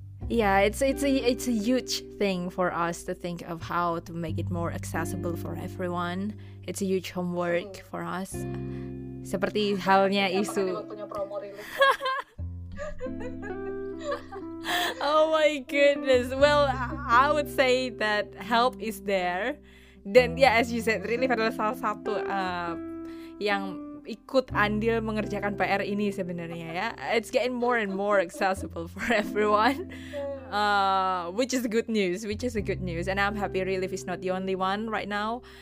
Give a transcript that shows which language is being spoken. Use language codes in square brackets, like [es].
[en] I think it's a huge thing for us to think of how to make it more accessible for everyone. It's a huge homework for us. [id] Seperti halnya isu. [en] Oh my goodness. Well, I would say that help is there. [id] Dan [en] as you said, [id] relief adalah salah satu yang ikut andil mengerjakan PR ini sebenarnya ya. [en] It's getting more and more accessible for everyone, which is good news. And I'm happy Relief is not the only one right now.